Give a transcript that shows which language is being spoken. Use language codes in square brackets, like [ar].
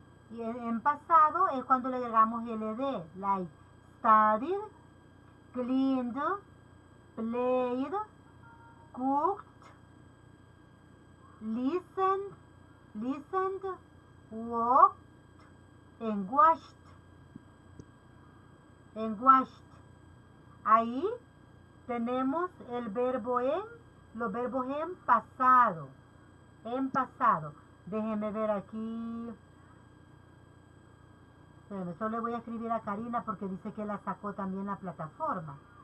[es] Y en pasado es cuando le agregamos LD. [en] Like studied, cleaned, played, cooked, listened, walked, and washed. [es] Ahí tenemos el verbo en, los verbos en pasado. Déjenme ver aquí. Bueno, yo le voy a escribir a Karina porque dice que la sacó también la plataforma.